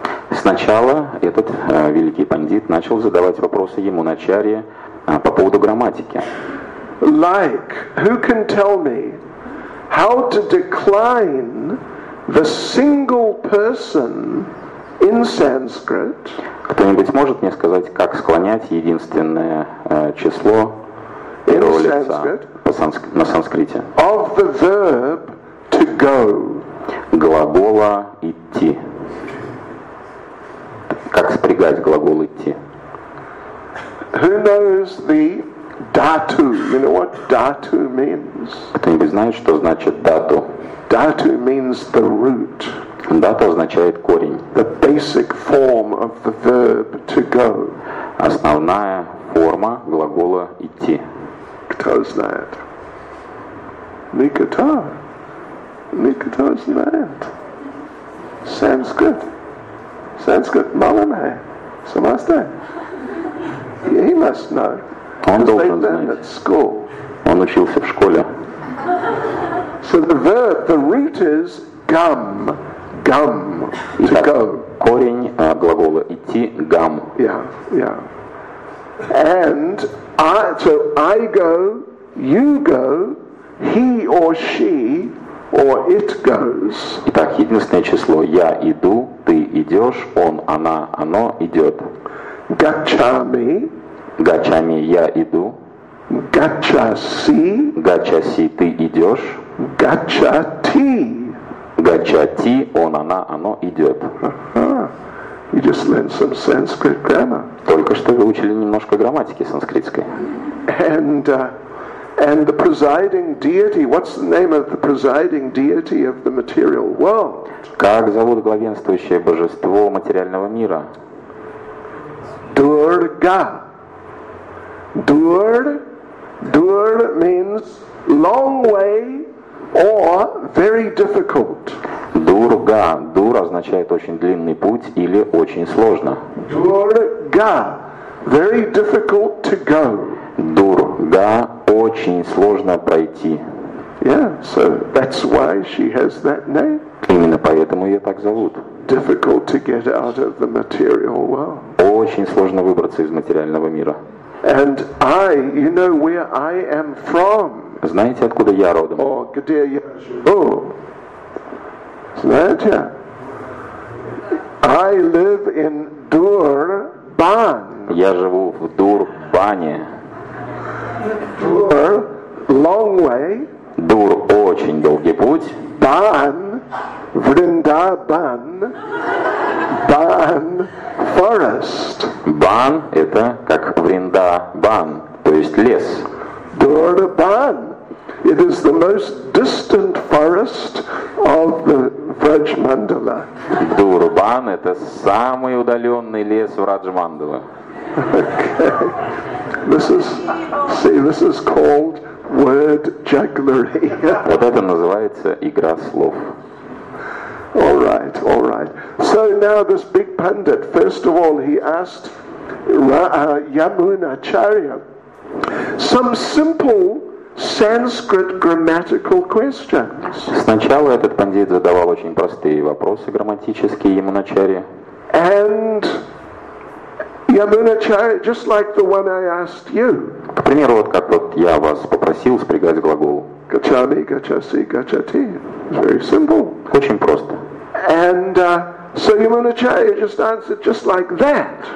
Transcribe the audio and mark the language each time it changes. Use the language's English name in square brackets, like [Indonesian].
[Russian] Сначала этот великий пандит начал задавать вопросы Яманачарье по поводу грамматики. [English] Like, who can tell me how to decline the single person in Sanskrit? [Russian] Кто-нибудь может мне сказать, как склонять единственное число первого лица на санскрите? [English] Of the verb to go. [Russian] Глагола идти. Как спрягать глагол идти? [English] Who knows the datu? You know what datu means? [Russian] Кто-нибудь знает, что значит дату? [English] Datu means the root. [Russian] Дата означает корень. [English] The basic form of the verb to go. [Russian] Основная форма глагола идти. Кто знает? Никто. Никто знает. [English] Sounds good. Sounds good. Малыме. Самасте. He must know. [Russian] Он должен знать. [English] Because they learned at school. [Russian] Он учился в школе. [English] So the verb, the root is gum. Gum. [Russian] Итак, [English] to go. [Russian] Корень глагола идти gum. [English] Yeah, yeah. And I go, you go, he or she or it goes. [Russian] Итак, единственное число я иду, ты идешь, он, она, оно идет. [Sanskrit] Gachami. [Russian] Gachami, я иду. [Sanskrit] Gachasi. [Russian] Gachasi, ты идешь. [Sanskrit] Gachati. [Russian] Gachati, он, она, оно идет. [English] Uh-huh. You just learned some Sanskrit grammar. [Russian] Только что вы учили немножко грамматики санскритской. [English] And the presiding deity, what's the name of the presiding deity of the material world? [Russian] Как зовут главенствующее божество материального мира? [English] Durga. Dur means long way or very difficult. [Russian] Durga. Dur означает очень длинный путь или очень сложно. [English] Durga. Very difficult to go. [Russian] Durga. Очень сложно пройти. [English] Yeah, so that's why she has that name. [Russian] Именно поэтому ее так зовут. [English] Difficult to get out of the material world. [Russian] Очень сложно выбраться из материального мира. [English] And I, you know where I am from. [Russian] Знаете, откуда я родом? Oh, где я живу? Знаете? [English] I live in Durban. [Russian] Я живу в Дурбане. [English] Dur, long way. [Russian] Dur, очень долгий путь. [English] Ban, Vrindaban. Ban, forest. [Russian] Ban, это как Vrindaban, то есть лес. [English] Durban, it is the most distant forest of the Vrajmandala. [Russian] Durban, это самый удаленный лес в Раджмандале. [English] Okay. This is called word jugglery. [Russian] Вот это называется игра слов. [English] All right. So now this big pundit, first of all, he asked Yamunacharya some simple Sanskrit grammatical questions. [Russian] Сначала этот пандит задавал очень простые вопросы грамматические Ямуначарья. [English] And Yamunacharya, just like the one I asked you. [Russian] К примеру, вот как вот я вас попросил спрягать глагол. [Sanskrit] Gachami, gachasi, gachati. [English] Very simple. [Russian] Очень просто. [English] And so Yamunacharya just answered just like that.